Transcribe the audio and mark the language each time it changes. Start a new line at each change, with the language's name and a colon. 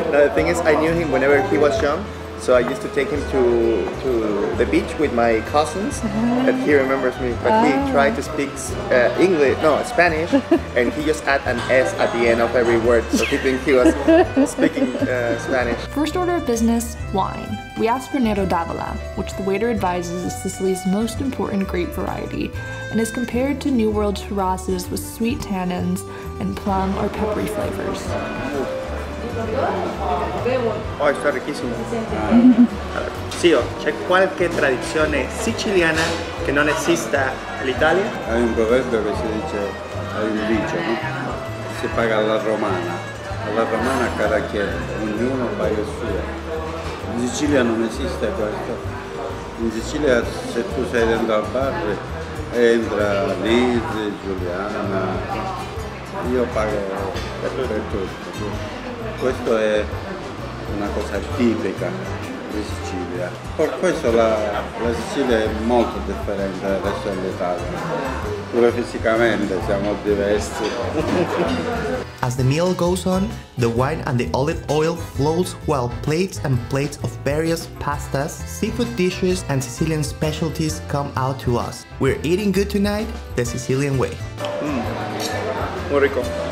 English: No, the thing is, I knew him whenever he was young, so I used to take him to the beach with my cousins, and he remembers me, but he tried to speak Spanish, and he just add an S at the end of every word, so he think he was speaking Spanish. First order of business, wine. We asked for Nero d'Avola, which the waiter advises is Sicily's most important grape variety, and is compared to New World Terrazzas with sweet tannins and plum or peppery flavors.
Spanish: Oh, está riquísimo.
Italian: Mm-hmm.
Spanish: A ver,
Italian: Sio, c'è qualche tradizione siciliana che non esista all'Italia?
Spanish: Hay un proverbio
Italian: che si dice,
Spanish: hay un dicho, no?
Italian: Si paga alla romana. Alla romana cada chi è, ognuno va il suo. In Sicilia non esiste questo. In Sicilia se tu sei dentro al bar entra Liz, Giuliana, io pago per tutto. Questo è una cosa tipica di Sicilia. Per questo la Sicilia è molto differente dal resto dell'Italia. Pure fisicamente siamo diversi.
English: As the meal goes on, the wine and the olive oil flows while plates and plates of various pastas, seafood dishes, and Sicilian specialties come out to us. We're eating good tonight, the Sicilian way.
Italian: Mmm, molto rico.